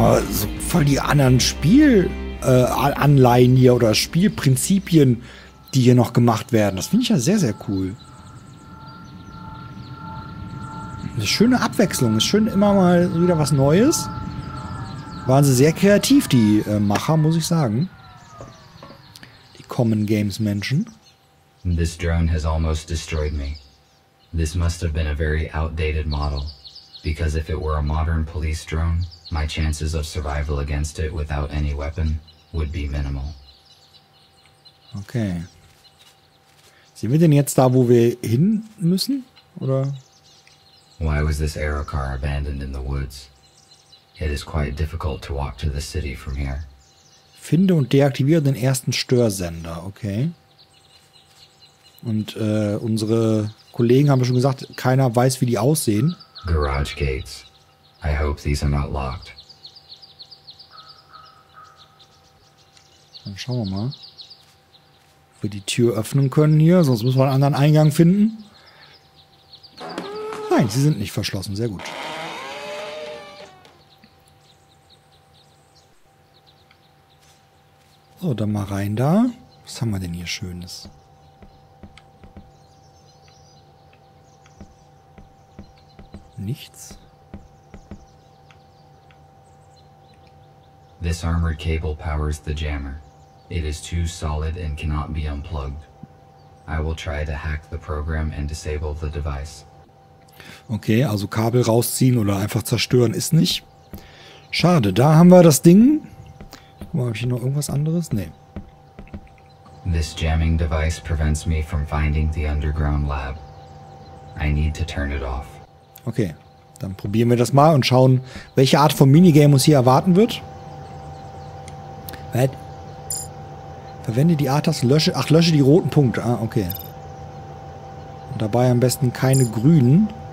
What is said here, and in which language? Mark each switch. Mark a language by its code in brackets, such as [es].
[de] So voll die anderen Spielanleihen hier oder Spielprinzipien, die hier noch gemacht werden. Das finde ich ja sehr, sehr cool. Eine schöne Abwechslung. Ist schön, immer mal wieder was Neues. Waren sie sehr kreativ, die Macher, muss ich sagen. Die Common Games Menschen. [en] This drone has almost destroyed me. This must have been a very outdated model. Because if it were a modern police drone, my chances of survival against it without any weapon would be minimal. [de] Okay. Sind wir denn jetzt da, wo wir hin müssen? Oder? [en] Why was this aero car abandoned in the woods? It is quite difficult to walk to the city from here. [de] Finde und deaktiviere den ersten Störsender. Okay. Und unsere Kollegen haben schon gesagt, keiner weiß, wie die aussehen. [en] Garage gates. I hope these are not locked. [de] Dann schauen wir mal, ob wir die Tür öffnen können hier, sonst müssen wir einen anderen Eingang finden. Nein, sie sind nicht verschlossen, sehr gut. So, dann mal rein da. Was haben wir denn hier Schönes? Nichts. [en] This armored cable powers the jammer. It is too solid and cannot be unplugged. I will try to hack the program and disable the device. [de] Okay, also Kabel rausziehen oder einfach zerstören ist nicht. Schade, da haben wir das Ding. Guck mal, hab ich hier noch irgendwas anderes? Nee. [en] This jamming device prevents me from finding the underground lab. I need to turn it off. [de] Okay, dann probieren wir das mal und schauen, welche Art von Minigame uns hier erwarten wird. Was? Verwende die A-Taste, lösche die roten Punkte. Ah, okay. Und dabei am besten keine grünen.